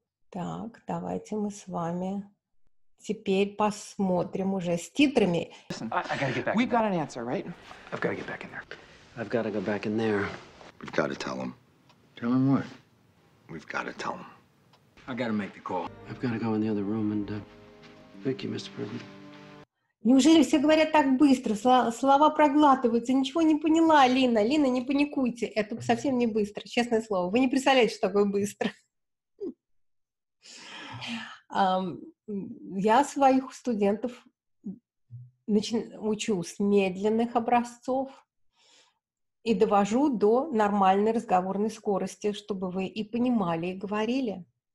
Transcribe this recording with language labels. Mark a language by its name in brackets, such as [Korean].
[Russian] Так, давайте мы с вами теперь посмотрим уже с титрами. [English] Listen, I gotta get back. We've got an answer, right? I've got to get back in there. I've got to go back in there. We've got to tell him. Tell him what? We've got to tell him. I got to make the call. I've got to go in the other room and thank you, Mr. President. [Russian] Неужели все говорят так быстро? Слова проглатываются. Ничего не поняла, Лина. Лина, не паникуйте. Это совсем не быстро, честное слово. Вы не представляете, что такое быстро. Я своих студентов учу с медленных образцов и довожу до нормальной разговорной скорости, чтобы вы и понимали, и говорили.